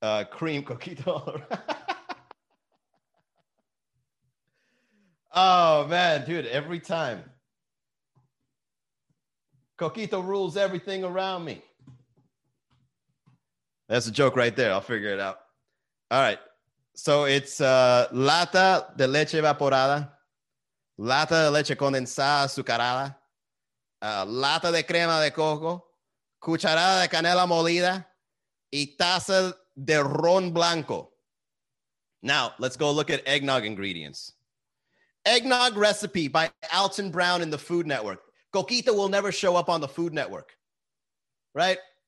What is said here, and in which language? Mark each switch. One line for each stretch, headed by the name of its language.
English: Cream coquito. Oh man, dude, every time. Coquito rules everything around me. That's a joke right there. I'll figure it out. All right. So it's
Spanish: lata de leche evaporada, lata de leche condensada azucarada, lata de crema de coco, cucharada de canela molida, y taza de ron blanco.
English: Now, let's go look at eggnog ingredients. Eggnog recipe by Alton Brown in the Food Network. Coquito will never show up on the Food Network, right?